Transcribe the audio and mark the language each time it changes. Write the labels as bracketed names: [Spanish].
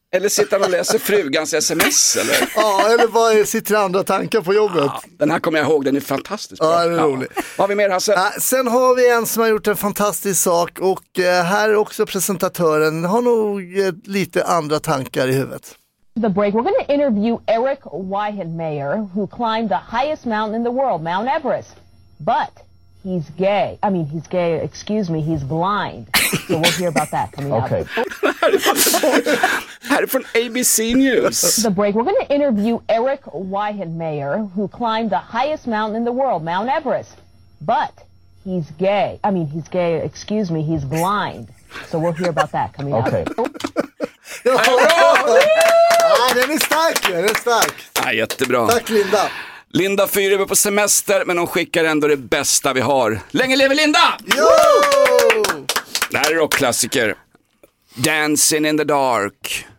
[Swedish] Eller sitter han och läser frugans sms? Eller? Ja, eller bara sitter andra tankar på jobbet. Ja, den här kommer jag ihåg, den är fantastiskt bra. Ja, det är rolig. Ja. Vad har vi mer, Hasse? Sen har vi en som har gjort en fantastisk sak. Och här är också presentatören. Har nog lite andra tankar i huvudet. [English] The break. We're going to interview Eric Weihenmayer, who climbed the highest mountain in the world, Mount Everest. But he's gay. I mean, he's gay, excuse me, he's blind. So we'll hear about that coming okay. up. [Swedish] Här är från ABC News. [English] The break. We're going to interview Eric Weihenmayer, who climbed the highest mountain in the world, Mount Everest. But he's gay. I mean, he's gay, excuse me, he's blind. So we'll hear about that coming okay. up. [Swedish] Okej. Ja, den är stark, den är stark. Ja, jättebra. Tack Linda. Linda Fyre är på semester, men hon skickar ändå det bästa vi har. Länge lever Linda! Jo! Det här är rockklassiker. Dancing in the dark.